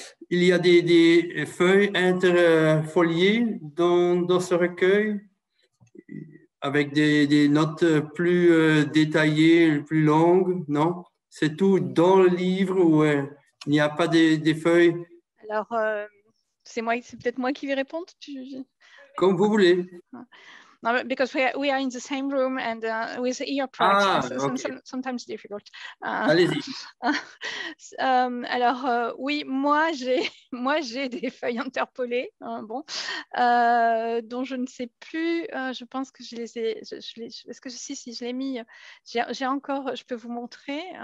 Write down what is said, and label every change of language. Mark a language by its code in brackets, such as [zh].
[fr] Il y a des feuilles interfoliées dans ce recueil avec des notes plus détaillées, plus longues, non? C'est tout dans le livre ou il n'y a pas des feuilles? Alors, c'est peut-être moi qui vais répondre. Comme vous voulez. [en] No, because we are in the same room and with your practice, it's sometimes difficult. [fr] Allez-y. Alors oui, moi j'ai des feuilles interpolées, dont je ne sais plus. Je pense que je les ai mis. J'ai encore. Je peux vous montrer.